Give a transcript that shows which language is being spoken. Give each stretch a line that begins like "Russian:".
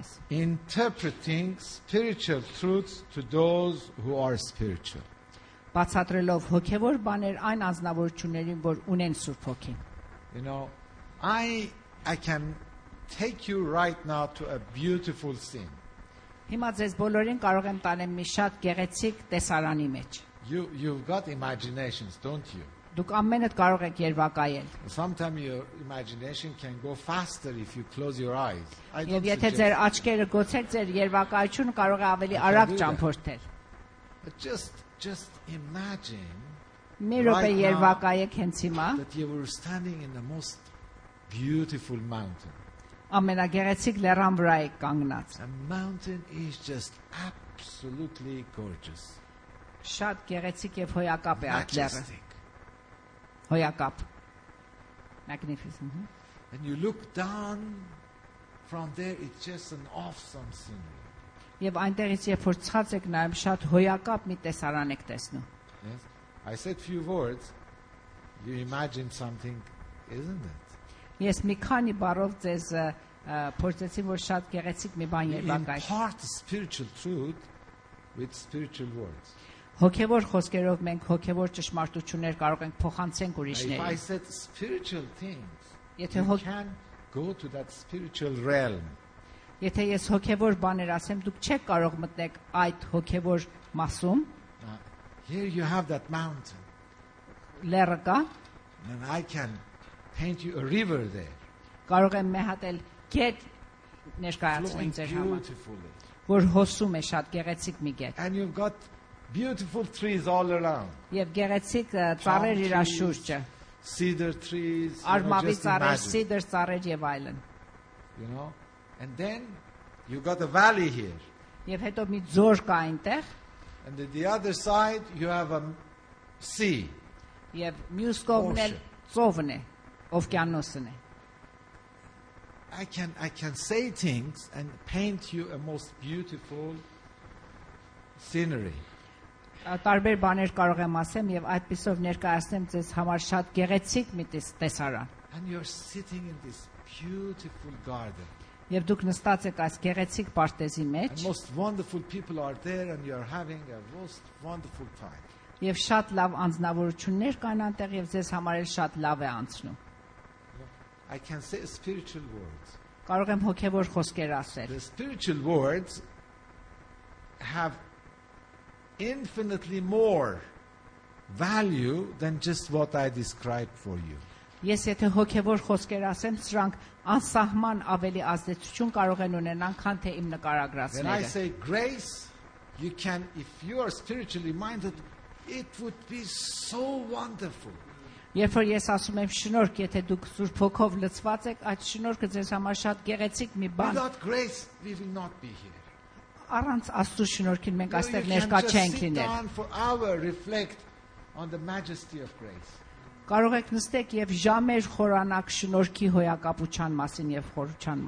English: Interpreting spiritual truths to those who are spiritual.
Armenian: Բացատրելով հոգևոր բաներ այն անձնավորություններին, որ ունեն Սուրբ Հոգին.
English: You know, I can take you right now to a beautiful scene.
Armenian: Հիմա ձեզ բոլորին կարող եմ տանեմ մի շատ գեղեցիկ տեսարանի մեջ.
English: You've got imaginations, don't you?
Armenian: Դուք ամենդ կարող եք երևակայել.
English: Sometimes your imagination can go faster if you close your eyes.
Armenian: Եվ եթե ձեր աչքերը գցեք, ձեր երևակայությունը կարող է ավելի արագ ճամփորդել.
English: Just imagine.
Armenian: Մերոպե երևակայեք հենց հիմա.
English: That you were standing in the most beautiful mountain.
Armenian: Ամենագեղեցիկ լեռան վրա եք կանգնած.
English: The mountain is just absolutely gorgeous.
Armenian: Շատ գեղեցիկ եւ հոյակապ է այդ լեռը. Hoyakap.
English: Magnificent. Huh? And you look down from there, it's just an awesome scenery.
Armenian: Եվ այնտեղից երբ որ ցած եք նայում, շատ հոյակապ մի տեսարան եք տեսնում.
English: Yes. I said few words. You imagine something, isn't it?
Armenian: Yes, մի քանի բառով ձեզ փորձեցի, որ շատ գեղեցիկ մի բան երևակայի.
English: Impart spiritual truth with spiritual words.
Armenian: Հոգևոր խոսքերով մենք հոգևոր ճշմարտություններ կարող ենք փոխանցենք ուրիշներին։
English: If I said spiritual things,
Armenian: եթե հոգ
English: can go to that spiritual realm.
Armenian: Եթե ես հոգևոր բաներ ասեմ, դուք չեք կարող մտնել այդ հոգևոր մասում։
English: Here you have that mountain.
Armenian: Լեռը կա։
English: And I can paint you a river there.
Armenian: Կարող եմ մեհատել գետ ներկայացնել ձեր համար, որ հոսում է շատ գեղեցիկ մի գետ։
English: And you've got beautiful trees all around.
Armenian: Եվ գեղեցիկ ծառեր իր շուրջը։
English: Cedar trees.
Armenian: Արմավի ծառեր, cedar ծառեր եւ այլն։
English: You know? And then you got a valley here.
Armenian: Եվ հետո մի ձոր կա այնտեղ։
English: And on the other side you have a sea.
Armenian: Եվ մյուս կողմն էլ ծովն է, օվկիանոսն է։
English: I can say things and paint you a most beautiful scenery.
Armenian: Տարբեր բաներ կարող եմ ասեմ եւ այդպիսով ներկայացնեմ ձեզ համար շատ գեղեցիկ մի տեսարան։
English: And you're sitting in this beautiful garden.
Armenian: Եվ դուք նստած եք այս գեղեցիկ պարտեզի մեջ։
English: And most wonderful people are there and you're having a most wonderful time.
Armenian: Եվ շատ լավ անձնավորություններ կան այնտեղ եւ ձեզ համար էլ շատ լավ է անցնում։
English: I can say spiritual words.
Armenian: Կարող եմ հոգեոր խոսքեր ասել։
English: The spiritual words have infinitely more value than just what I described for you.
Armenian: Ես եթե հոգևոր խոսքեր ասեմ, սրանք անսահման ավելի ազդեցություն կարող են ունենալ, քան թե իմ նկարագրածները։
English: When I say grace, you can, if you are spiritually minded, it would be so wonderful.
Armenian: Երբ որ ես ասում եմ շնորհք, եթե դուք Սուրբ Հոգով լցված եք, այդ շնորհքը ձեզ համար շատ գեղեցիկ մի բան։
English: Without grace, we will not be here.
Armenian: Առանց Աստծո շնորհքին մենք այստեղ ներկա չենք լինել։ Կարող եք նստեք եւ ժամեր խորանալ շնորհքի հոյակապության մասին եւ խորության